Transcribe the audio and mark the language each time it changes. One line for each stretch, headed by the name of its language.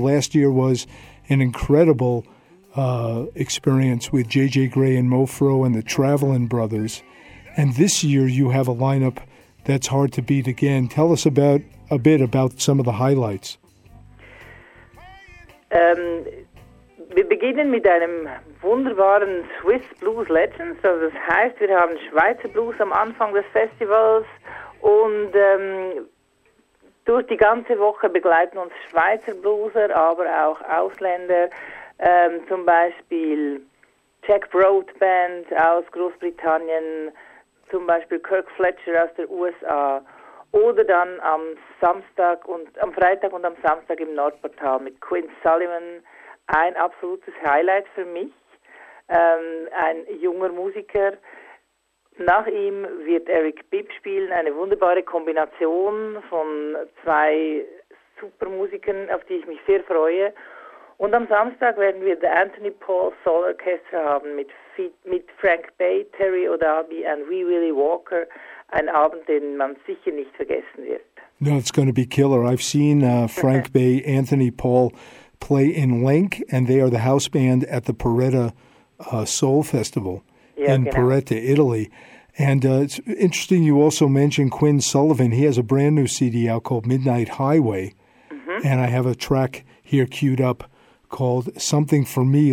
English: Last year was an incredible experience with J.J. Gray and Mofro and the Travelin' Brothers. And this year you have a lineup that's hard to beat again. Tell us about a bit about some of the highlights.
German: Wir beginnen mit einem wunderbaren Swiss Blues Legends. Also das heißt, wir haben Schweizer Blues am Anfang des Festivals und durch die ganze Woche begleiten uns Schweizer Blueser, aber auch Ausländer, zum Beispiel Jack Broad Band aus Großbritannien, zum Beispiel Kirk Fletcher aus der USA oder dann am Freitag und am Samstag im Nordportal mit Quinn Sullivan. Ein absolutes Highlight für mich, ein junger Musiker. Nach ihm wird Eric Bibb spielen, eine wunderbare Kombination von zwei Supermusikern, auf die ich mich sehr freue. Und am Samstag werden wir The Anthony Paul Soul Orchestra haben mit Frank Bay, Terry O'Darby und Wee Willie Walker. Ein Abend, den man sicher nicht vergessen wird.
English: No, it's going to be killer. I've seen Frank Bay, Anthony Paul play in Link, and they are the house band at the Paretta Soul Festival Paretta, Italy. And it's interesting you also mentioned Quinn Sullivan. He has a brand new CD out called Midnight Highway, and I have a track here queued up called Something for Me.